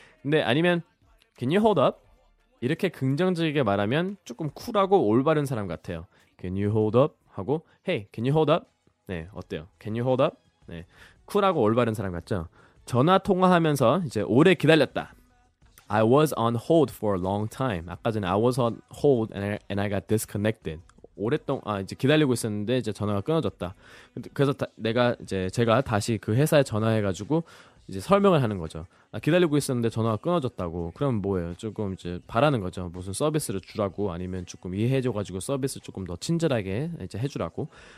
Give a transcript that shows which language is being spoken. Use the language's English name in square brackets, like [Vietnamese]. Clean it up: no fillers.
[Korean] 근데 아니면 [English] Can you hold up? [Korean] 이렇게 긍정적이게 말하면 조금 쿨하고 올바른 사람 같아요. [English] Can you hold up? 하고 Hey, can you hold up? [Korean] 네, 어때요? [English] Can you hold up? [Korean] 네, 쿨하고 올바른 사람 같죠? 전화 통화하면서 이제 오래 기다렸다. [English] I was on hold for a long time. [Korean] 아까 전에 [English] I was on hold and I got disconnected. [Korean] 오랫동안 이제 기다리고 있었는데 이제 전화가 끊어졌다. 그래서 제가 다시 그 회사에 전화해가지고 이제 설명을 하는 거죠. 아, 기다리고 있었는데 전화가 끊어졌다고. 그럼 뭐예요? 조금 이제 바라는 거죠. 무슨 서비스를 주라고 아니면 조금 이해해줘가지고 서비스 조금 더 친절하게 이제 해주라고.